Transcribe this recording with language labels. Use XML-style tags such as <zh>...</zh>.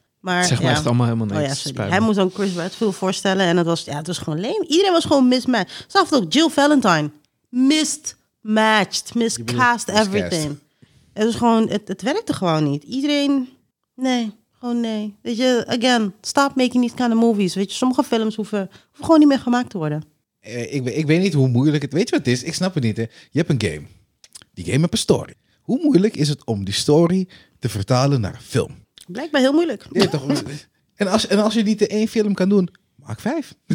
<nl>Maar, zeg maar, echt allemaal helemaal niks. Oh ja, sorry. Hij moest dan Chris Redfield voorstellen en het was gewoon lame. Iedereen was gewoon mismatched. Zelfs ook Jill Valentine. Mismatched.</nl> <en>Miscast everything.</en> <nl>Het is gewoon, het werkte gewoon niet. Iedereen, nee, gewoon nee. Weet je,</nl> <en>again, stop making these kind of movies.</en> <nl>Weet je, sommige films hoeven gewoon niet meer gemaakt te worden. Ik weet niet hoe moeilijk het... Weet je wat het is? Ik snap het niet, hè. Je hebt een game. Die game heeft een story. Hoe moeilijk is het om die story te vertalen naar een film? Blijkbaar heel moeilijk. Ja, toch? En als je niet in één film kan doen, maak vijf.</nl>